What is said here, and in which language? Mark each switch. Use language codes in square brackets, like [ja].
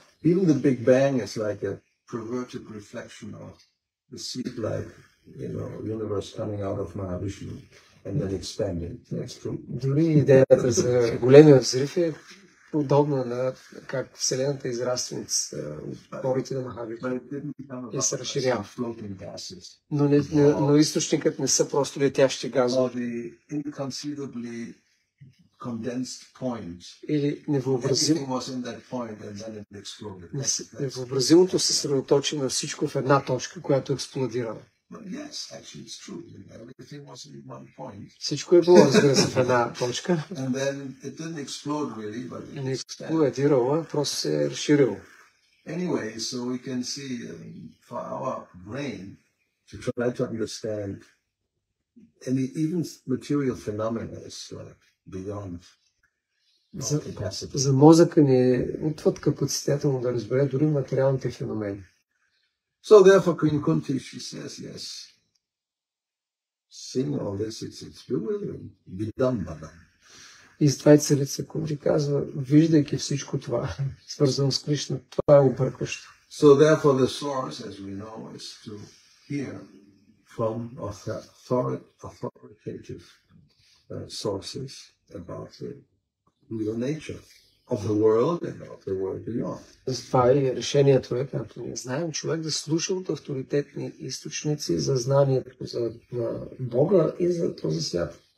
[en] Even the Big Bang is like a perverted reflection of the seed life. You know, universe coming out of Mahavishnu and then expanding. That's true. [bg] Дори идеята за големия взрив е подобна на как Вселената израства от порите на Махавишну и се разширява. [en] Floating gases. [bg] Но източникът не са просто летящи газове. [en] Inconceivably condensed point. [bg] Или невъобразимо. [en] Everything was in that point and then it exploded. [bg] Невъобразимото се съсредоточи на всичко в една точка, която експлодирала. [en] But yes, actually it's true. Everything was at one point. [bg] Всичко е било, разбира се, в една точка. [en] And then it didn't explode really, but it [bg] не експлодирало, просто се е разширило. [en] Anyway, so we can see for our brain to try to understand any even material phenomena is like beyond. [bg] За мозъка ни е отвъд капацитета му да разбере дори материалните феномени. [en] So therefore Queen Kunti, she says, yes, seeing all this, it's bewildering. Be done, madam. [bg] И затова царица Кунти казва, виждайки всичко това, свързано с Кришна, това е объркващо. [en] So therefore the source, as we know, is to hear from authoritative sources about the real nature of the world and of the world beyond. [bg] Това е решение човека, ако не знаем, човек да слуша от авторитетни източници за знанието за Бога и за този свят.